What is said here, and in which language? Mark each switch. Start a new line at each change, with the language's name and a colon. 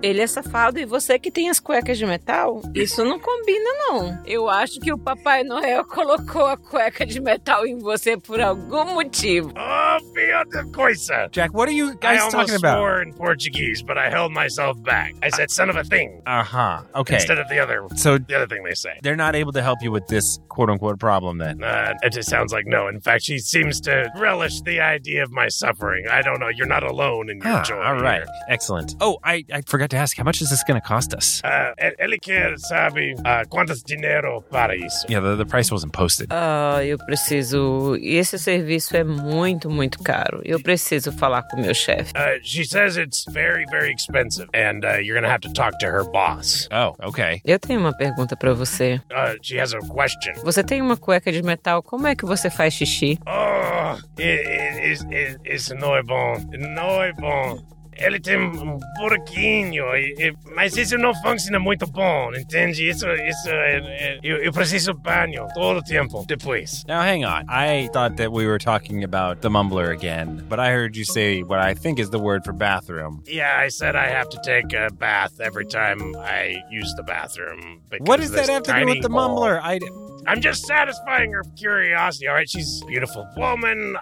Portuguese: Ele é safado e você que tem as cuecas de metal? Isso não combina, não. Eu acho que o Papai Noel colocou a cueca de metal em você por algum motivo. Oh, filho de coisa.
English: Jack, what are you guys talking about? I almost swore in Portuguese, but I held myself back. I said, son of a thing. Uh-huh. Okay. Instead of the other thing they say. They're not able to help you with this quote-unquote problem, then. It just sounds like no. In fact, she seems to relish the idea of my suffering. I don't know. You're not alone in your joy. All right. Here. Excellent. Oh, I forgot to ask. How much is this going to cost us?
Portuguese: Ele quer saber quantos dinheiro para isso.
English: Yeah, the price wasn't posted.
Portuguese: Eu preciso... Esse serviço é muito, muito caro. Eu preciso falar com meu chefe.
English: She says it's very, very expensive. And you're going to have to talk to her boss. Oh, okay.
Portuguese: Eu tenho uma pergunta para você.
English: She has a question.
Portuguese: Você tem uma cueca de metal. Como é que você faz xixi? Oh, isso não é bom. Não é bom. Ele tem buraquinho, mas isso não funciona muito bom, entende? Eu preciso banho todo o tempo depois.
English: Now, hang on. I thought that we were talking about the mumbler again, but I heard you say what I think is the word for bathroom. Yeah, I said I have to take a bath every time I use the bathroom. What does that have to do with the mumbler? I'm just satisfying her curiosity, all right? She's a beautiful woman.